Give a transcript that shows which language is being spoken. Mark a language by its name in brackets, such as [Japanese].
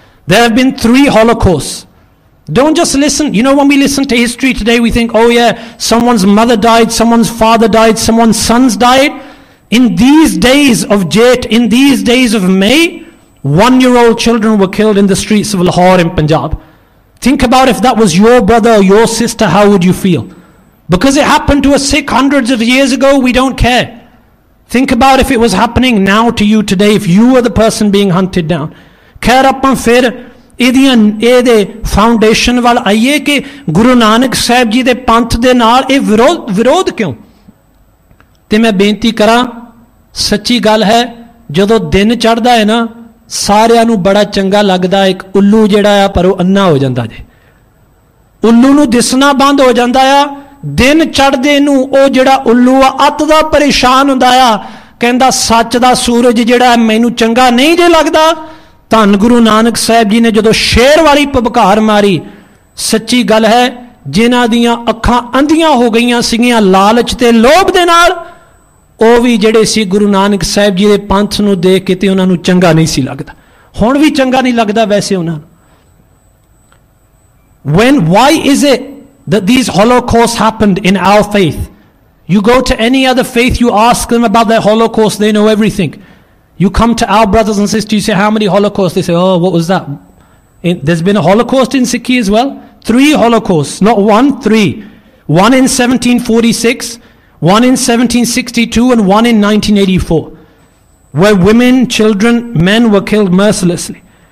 [English] There have been 3 holocausts. Don't just listen, you know when we listen to history today we think oh yeah someone's mother died, someone's father died, someone's sons died. In these days of Jeth, in these days of May, 1-year-old children were killed in the streets of Lahore in Punjab. Think about if that was your brother or your sister, how would you feel? Because it happened to a Sikh hundreds of years ago, we don't care. Think about if it was happening now to you today, if you were the person being hunted down. [Punjabi] Khair appan fir ਇਹਦੀਆਂ ਇਹਦੇ foundation ਵੱਲ ਆਈਏ ਕਿ ਗੁਰੂ ਨਾਨਕ ਸਾਹਿਬ ਜੀ ਦੇ ਪੰਥ ਦੇ ਨਾਲ ਇਹ ਵਿਰੋਧ ਕਿਉਂ? ਅਤੇ ਮੈਂ ਬੇਨਤੀ ਕਰਾਂ, ਸੱਚੀ ਗੱਲ ਹੈ, ਜਦੋਂ ਦਿਨ ਚੜ੍ਹਦਾ ਹੈ ਨਾ, ਸਾਰਿਆਂ ਨੂੰ ਬੜਾ ਚੰਗਾ ਲੱਗਦਾ ਇੱਕ ਉੱਲੂ ਜਿਹੜਾ ਆ, ਪਰ ਉਹ ਅੰਨਾ ਹੋ ਜਾਂਦਾ ਜੇ, ਉੱਲੂ ਨੂੰ ਦਿਸਣਾ ਬੰਦ ਹੋ ਜਾਂਦਾ ਆ, ਦਿਨ ਚੜ੍ਹਦੇ ਨੂੰ ਉਹ ਜਿਹੜਾ ਉੱਲੂ ਆ ਅੱਤ ਦਾ ਪਰੇਸ਼ਾਨ ਹੁੰਦਾ ਆ, ਕਹਿੰਦਾ ਸੱਚ ਦਾ ਸੂਰਜ ਜਿਹੜਾ ਮੈਨੂੰ ਚੰਗਾ ਨਹੀਂ ਜੇ ਲੱਗਦਾ। ਧੰਨ ਗੁਰੂ ਨਾਨਕ ਸਾਹਿਬ ਜੀ ਨੇ ਜਦੋਂ ਸ਼ੇਰ ਵਾਲੀ ਪਬਕਾਰ ਮਾਰੀ, ਸੱਚੀ ਗੱਲ ਹੈ, ਜਿਨ੍ਹਾਂ ਦੀਆਂ ਅੱਖਾਂ ਅੰਧੀਆਂ ਹੋ ਗਈਆਂ ਸੀਗੀਆਂ ਲਾਲਚ ਅਤੇ ਲੋਭ ਦੇ ਨਾਲ, ਉਹ ਵੀ ਜਿਹੜੇ ਸੀ ਗੁਰੂ ਨਾਨਕ ਸਾਹਿਬ ਜੀ ਦੇ ਪੰਥ ਨੂੰ ਦੇਖ ਕੇ, ਅਤੇ ਉਹਨਾਂ ਨੂੰ ਚੰਗਾ ਨਹੀਂ ਸੀ ਲੱਗਦਾ, ਹੁਣ ਵੀ ਚੰਗਾ ਨਹੀਂ ਲੱਗਦਾ ਵੈਸੇ ਉਹਨਾਂ ਨੂੰ। [English] When why is it that these holocaust happened in our faith? You go to any other faith, you ask them about the holocaust, they know everything. You come to our brothers and sisters, you say, how many holocausts? They say, oh, what was that? There's been a holocaust in Sikhi as well? Three holocausts, not one, three. One in 1746, one in 1762, and one in 1984. Where women, children, men were killed mercilessly.